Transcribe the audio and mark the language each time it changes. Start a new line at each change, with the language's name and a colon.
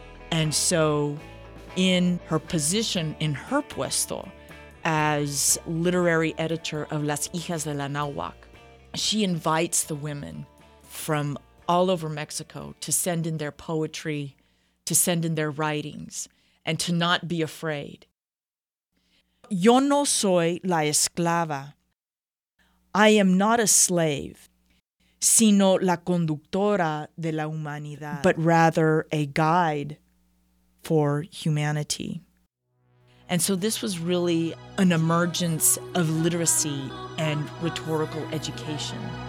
English: And so in her position, in her puesto as literary editor of Las Hijas de la Nahuac, she invites the women from all over Mexico to send in their poetry, to send in their writings, and to not be afraid.
Spanish: Yo no soy la esclava.
English: I am not a slave,
Spanish: sino la conductora de la humanidad.
English: But rather a guide for humanity. And so this was really an emergence of literacy and rhetorical education.